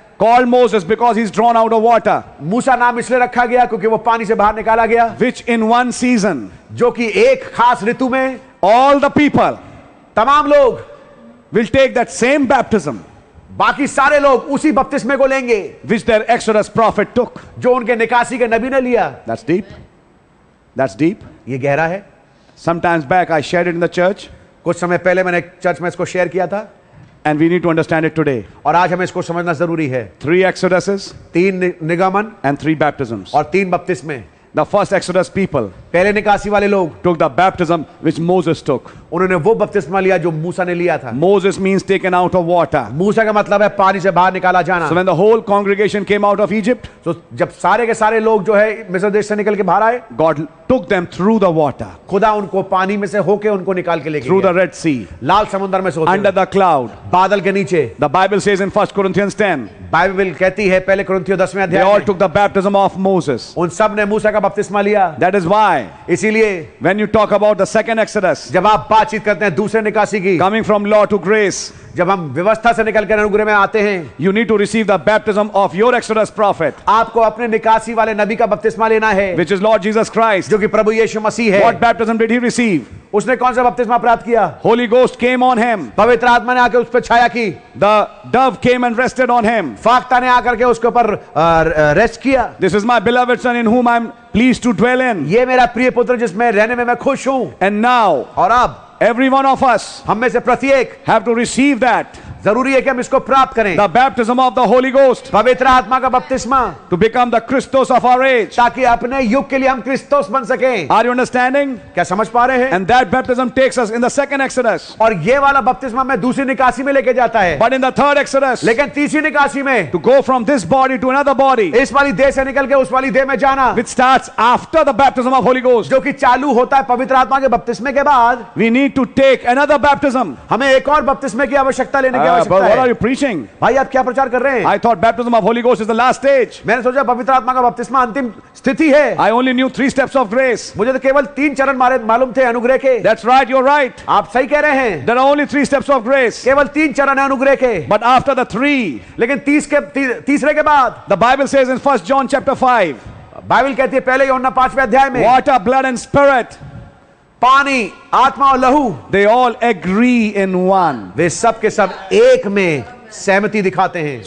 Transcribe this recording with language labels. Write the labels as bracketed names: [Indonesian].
[English] Called Moses because he's drawn out of water. [Hindi] मूसा नाम इसलिए रखा गया क्योंकि वो पानी से बाहर निकाला गया. [English] Which in one season. [Hindi] जो कि एक खास ऋतु में. [English] All the people. [Hindi] तमाम लोग. [English] Will take that same baptism. [Hindi] बाकी सारे लोग उसी बपतिस्मे को लेंगे. [English] Which their Exodus prophet took. [Hindi] जो उनके निकासी के नबी ने लिया. [English] That's deep. That's deep. [Hindi] ये गहरा है. [English] Sometimes back I shared it in the church. [Hindi] कुछ समय पहले मैंने चर्च में इसको शेयर किया था. [English] And we need to understand it today. [Hindi] और आज हमें इसको समझना जरूरी है. [English] Three Exoduses. [Hindi] तीन निगमन. [English] And three baptisms. [Hindi] और तीन बपतिस्मे. [English] The first Exodus people. [Hindi] पहले निकासी वाले लोग. [English] Took the baptism which Moses took. [Hindi] उन्होंने वो बपतिस्मा लिया जो मूसा ने लिया था. [English] Moses means taken out of water. [Hindi] मूसा का मतलब है पानी से बाहर निकाला जाना. [English] So when the whole congregation came out of Egypt. [Hindi] So जब सारे के सारे लोग जो है मिस्र देश से निकल के बाहर आए. [English] God took them through the water. [Hindi] खुदा उनको पानी में से होके उनको निकाल के लेके. [English] Through the Red Sea. [Hindi] लाल समुद्र में से होते. [English] Under the cloud. [Hindi] बादल के नीचे. [English] The Bible says in 1 Corinthians 10. [Hindi] Bible कहती है पहले कुरिन्थियों 10वें अध्याय. [English] They all took the baptism of Moses. [Hindi] उन सब ने मूसा का बपतिस्मा लिया. [English] That is why. [Hindi] इसीलिए. [English] When you talk about the second Exodus. [Hindi] जब आप बातचीत करते हैं दूसरे निकासी की. [English] Coming from law to grace. [Hindi] जब हम व्यवस्था से निकल कर अनुग्रह में आते हैं. [English] You need to receive the baptism of your Exodus prophet. [Hindi] आपको अपने निकासी वाले नबी का बपतिस्मा लेना है. [English] Which is Lord Jesus Christ. [Hindi] जो कि प्रभु यीशु मसीह है. [English] What baptism did he receive? [Hindi] उसने कौन सा बपतिस्मा प्राप्त किया? [English] Holy Ghost came on him. [Hindi] पवित्र आत्मा ने आकर उस पर छाया की. [English] The dove came and rested on him. [Hindi] फाख्ता ने आकर के उसके ऊपर रेस्ट किया. [English] This is my beloved son in whom I am pleased to dwell in. [Hindi] ये मेरा प्रिय पुत्र जिसमें रहने में मैं खुश हूँ. [English] And now, [Hindi] और अब, [English] every one of us, [Hindi] हम में से प्रत्येक, [English] have to receive that. [Hindi] जरूरी है कि हम इसको प्राप्त करें. [English] The baptism of the Holy Ghost. [Hindi] पवित्र आत्मा का बपतिस्मा. [English] To become the Christos of our age. [Hindi] ताकि अपने युग के लिए हम क्रिस्तोस बन सकें. [English] Are you understanding? [Hindi] क्या समझ पा रहे हैं? [English] And that baptism takes us in the second Exodus. [Hindi] और ये वाला बपतिस्मा मैं दूसरी निकासी में लेके जाता है. [English] But in the third Exodus. [Hindi] लेकिन तीसरी निकासी में. [English] To go from this body to another body. [Hindi] इस वाली देह से निकल के उस वाली देह में जाना. [English] Which starts after the baptism of Holy Ghost. [Hindi] जो कि चालू होता है पवित्र आत्मा के बपतिस्मे के बाद. [English] We need to take another baptism. [Hindi] हमें एक और बपतिस्मे की आवश्यकता लेने. [English] What are you preaching? [Hindi] भाई आप क्या प्रचार कर रहे हैं? [English] I thought baptism of Holy Ghost is the last stage. [Hindi] मैंने सोचा पवित्र आत्मा का बपतिस्मा अंतिम स्थिति है. [English] I only knew three steps of grace. [Hindi] मुझे तो केवल तीन चरण मालूम थे अनुग्रह के. [English] That's right, you're right. [Hindi] आप सही कह रहे हैं. [English] There are only three steps of grace. [Hindi] केवल तीन चरण हैं अनुग्रह के. [English] But after the three, [Hindi] लेकिन तीसरे के बाद, [English] the Bible says in 1 John chapter 5. [Hindi] Bible कहती है पहले यूहन्ना पांचवें अध्याय में. [English] What a blood and spirit. [Hindi] पानी आत्मा और लहू. [English] They all agree in one. [Hindi] वे सब के सब एक में सहमति दिखाते हैं.